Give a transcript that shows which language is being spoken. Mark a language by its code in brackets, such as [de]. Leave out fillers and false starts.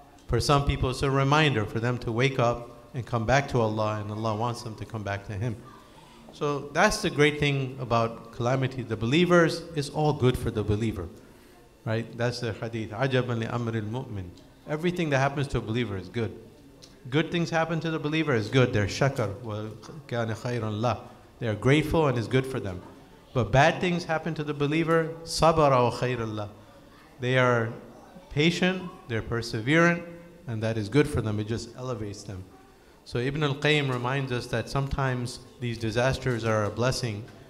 [en] For some people, it's a reminder for them to wake up and come back to Allah, and Allah wants them to come back to Him. So that's the great thing about calamity. The believers, it's all good for the believer. Right, that's the hadith. [ar] عَجَبًا لِأَمْرِ الْمُؤْمِنِ. [en] Everything that happens to a believer is good. Good things happen to the believer is good. They're shakar [ar] وَكَانَ خَيْرًا لَهُ. [en] They are grateful and it's good for them. But bad things happen to the believer, [ar] صَبَرَ وَخَيْرًا لَهُ. [en] They are patient, they're perseverant, and that is good for them. It just elevates them. So Ibn al-Qayyim reminds us that sometimes these disasters are a blessing.